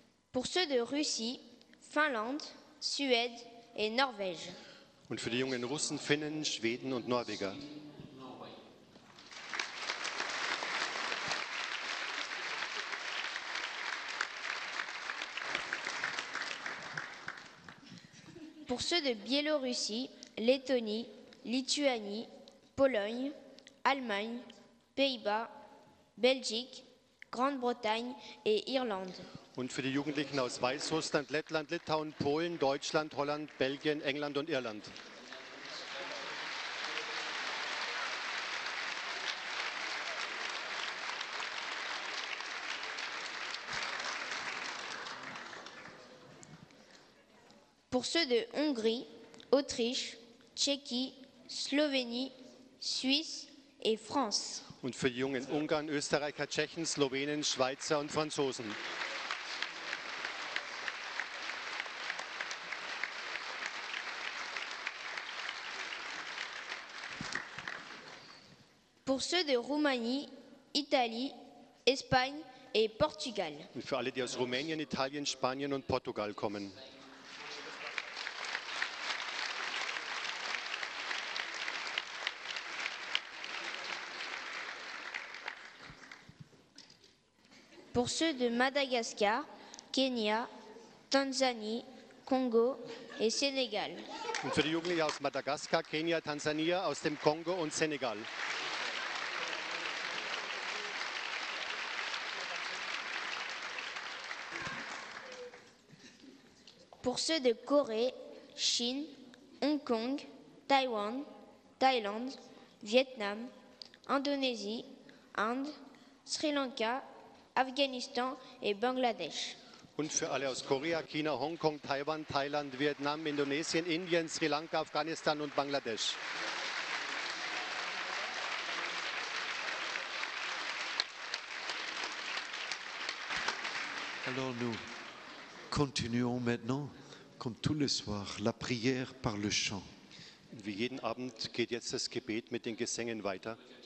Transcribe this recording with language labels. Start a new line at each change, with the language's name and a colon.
French: Pour ceux de Russie, Finlande, Suède et Norvège.
German: Und für die jungen Russen, Finnen, Schweden und Norweger.
French: pour ceux de Biélorussie, Lettonie, Lituanie, Pologne, Allemagne, Pays-Bas, Belgique, Grande-Bretagne et Irlande.
German: Und für die Jugendlichen aus Weißrussland, Lettland, Litauen, Polen, Deutschland, Holland, Belgien, England und Irland.
French: Pour ceux de Hongrie, Autriche, Tchéquie, Slowenie, Suisse et France.
German: Und für die Jungen Ungarn, Österreicher, Tschechen, Slowenen, Schweizer und Franzosen.
French: Pour ceux de Roumanie, Italie, Espagne et Portugal.
German: Und für alle, die aus Rumänien, Italien, Spanien und Portugal kommen.
French: Pour ceux de Madagascar, Kenya, Tanzanie, Congo et Sénégal.
German: Und für die Jugendlichen aus Madagaskar, Kenia, Tansania, aus dem Kongo und Senegal.
French: Pour ceux de Corée, Chine, Hong Kong, Taïwan, Thaïlande, Vietnam, Indonésie, Inde, Sri Lanka, Afghanistan et Bangladesh.
German: Und für alle aus Korea, China, Hongkong, Taiwan, Thailand, Vietnam, Indonesien, Indien, Sri Lanka, Afghanistan und Bangladesch.
French: Alors nous continuons maintenant, comme tous les soirs, la prière par le chant.
German: Wie jeden Abend geht jetzt das Gebet mit den Gesängen weiter.